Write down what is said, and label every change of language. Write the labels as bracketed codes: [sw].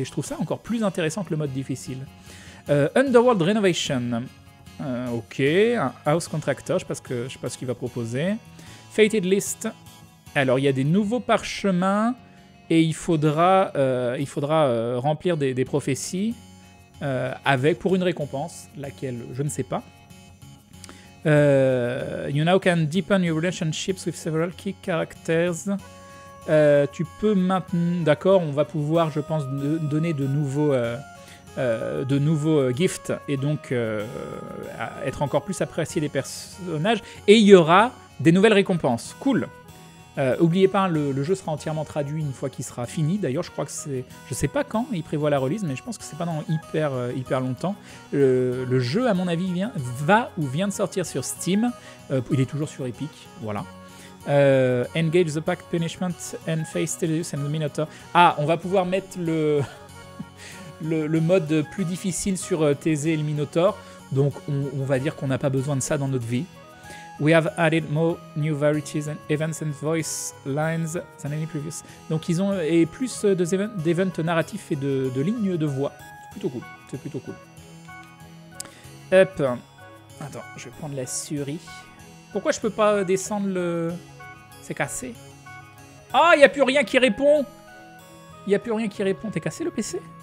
[fr] Et je trouve ça encore plus intéressant que le mode difficile. Underworld Renovation, ok, un House Contractor, je sais pas ce qu'il va proposer. Fated List, alors il y a des nouveaux parchemins et il faudra remplir des prophéties pour une récompense, laquelle je ne sais pas. [en] You now can deepen your relationships with several key characters. [fr] Tu peux maintenant, d'accord, on va pouvoir, je pense, donner de nouveaux... gifts et donc être encore plus apprécié des personnages, et il y aura des nouvelles récompenses, cool. Oubliez pas, le jeu sera entièrement traduit une fois qu'il sera fini. D'ailleurs, je sais pas quand il prévoit la release, mais je pense que c'est pas dans hyper hyper longtemps. Le jeu, à mon avis, vient de sortir sur Steam. Il est toujours sur Epic, voilà. [en] Engage the Pact Punishment and face Tedious and the Minotaur. [fr] Ah, on va pouvoir mettre le mode plus difficile sur Thésée et le Minotaur, donc on va dire qu'on n'a pas besoin de ça dans notre vie. [en] We have added more new varieties and events and voice lines than any previous. [fr] Donc ils ont plus d'events narratifs et de lignes de voix. C'est plutôt cool. Hop. Attends, je vais prendre la souris. Pourquoi je peux pas descendre le... C'est cassé. Ah, il n'y a plus rien qui répond. T'es cassé le PC?